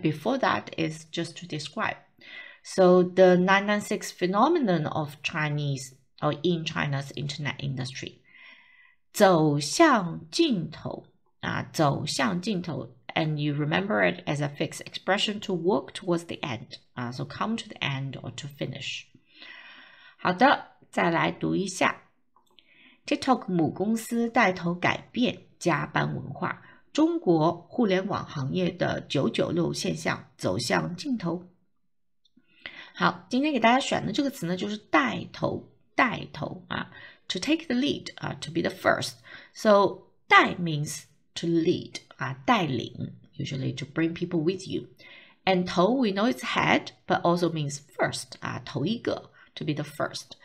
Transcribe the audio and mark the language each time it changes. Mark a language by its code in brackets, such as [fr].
[en] Before that is just to describe. So the 996 phenomenon of Chinese or in China's internet industry. [zh] 走向尽头啊，走向尽头 [en] and you remember it as a fixed expression to walk towards the end. So come to the end or to finish. [zh] 好的，再来读一下。 [en] TikTok [zh] 母公司带头改变加班文化，中国互联网行业的996现象走向尽头。好，今天给大家选的这个词呢，就是带头啊， [en] to take the lead, to be the first. So, 带 means to lead, 带领, usually to bring people with you. And 头, we know it's head, but also means first, 头一个, to be the first.